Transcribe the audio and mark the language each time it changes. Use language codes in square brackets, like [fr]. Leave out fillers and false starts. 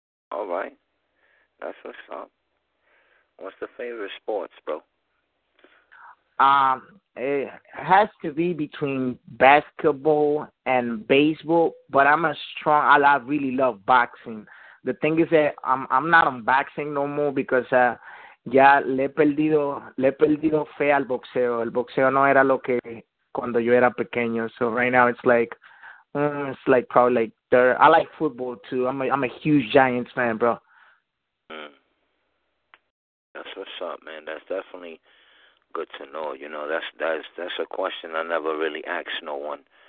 [en] All right. That's what's up. What's the favorite sports, bro? It has to be between basketball and baseball, but I really love boxing. The thing is that I'm not on boxing no more because... [es] Ya le he perdido fe al boxeo. El boxeo no era lo que cuando yo era pequeño. [en] So right now it's like probably like third. I like football too. I'm a huge Giants fan, bro. That's what's up, man. That's definitely good to know. You know, that's a question I never really asked no one.